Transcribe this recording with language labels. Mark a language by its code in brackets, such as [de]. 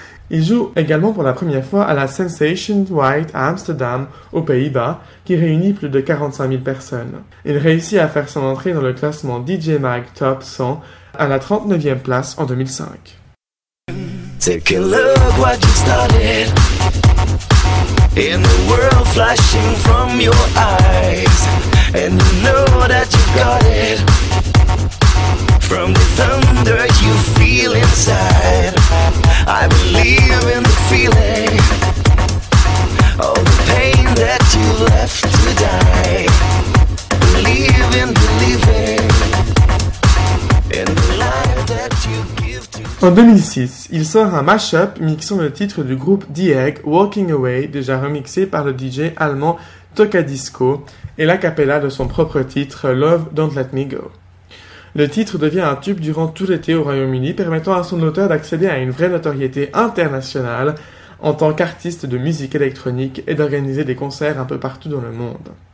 [fr] Il joue également pour la première fois à la Sensation White à Amsterdam, aux Pays-Bas, qui réunit plus de 45 000 personnes. Il réussit à faire son entrée dans le classement DJ Mag Top 100 à la 39e place en 2005. [en] Take a look what you started in the world flashing from your eyes. And you know that you've got it from the thunder you feel inside. I believe in the feeling of the pain that you left to die. Believe in believing in the life that you give to. [fr] En 2006, il sort un mashup mixant le titre du groupe The Egg, Walking Away, déjà remixé par le DJ allemand Toca Disco, et l'a cappella de son propre titre, Love Don't Let Me Go. Le titre devient un tube durant tout l'été au Royaume-Uni, permettant à son auteur d'accéder à une vraie notoriété internationale en tant qu'artiste de musique électronique et d'organiser des concerts un peu partout dans le monde.